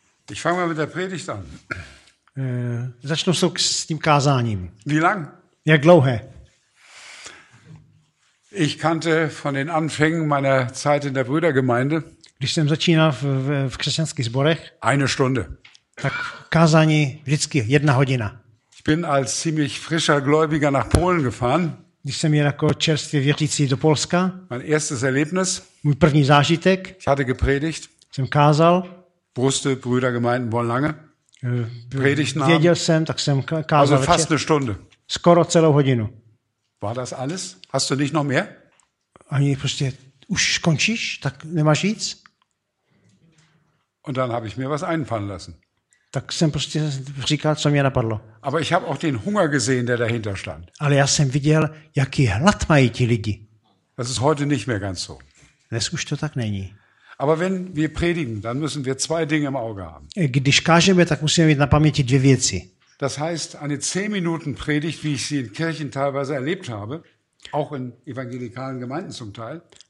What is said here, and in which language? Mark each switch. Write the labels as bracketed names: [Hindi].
[German] Ich fange mal mit der Predigt an. [Czech] Začnu s tím kázáním. [German] Wie lang? [Czech] Jak dlouhé? [German] Ich kannte von den Anfängen meiner Zeit in der Brüdergemeinde. [Czech] Když jsem začínal v křesťanských sborech. [German] Eine Stunde. [Czech] Tak kázání vždycky jedna hodina. [German] Ich bin als ziemlich frischer Gläubiger nach Polen gefahren. [Czech] Když jsem jel jako čerstvě věřící do Polska. [German] Mein erstes Erlebnis. [Czech] Můj první zážitek. [German] Ich hatte gepredigt. [Czech] Jsem kázal. [German] Wusste Brüdergemeinden wollen lange. Predigten haben. [Czech] Věděl jsem, tak jsem kázal. [German] Also fast eine Stunde. [Czech] Skoro celou hodinu. [German] War das alles? Hast du nicht noch mehr? [Czech] Ani prostě už skončíš, tak nemáš víc? [German] Und dann habe ich mir was einfallen lassen. [Czech] Tak jsem prostě říkal, co mě napadlo. [German] Aber ich habe auch den Hunger gesehen, der dahinter stand. [Czech] Ale já jsem viděl, jaký hlad mají ti lidi. [German] Das ist heute nicht mehr ganz so. [Czech] Dnes už to tak není. [German] Aber wenn wir predigen, dann müssen wir zwei Dinge im Auge haben. [Czech] Když kážeme, tak musíme mít na paměti dvě věci. [German] Das heißt, eine 10 Minuten Predigt, wie ich sie in Kirchen teilweise erlebt habe, auch in evangelikalen Gemeinden zum Teil.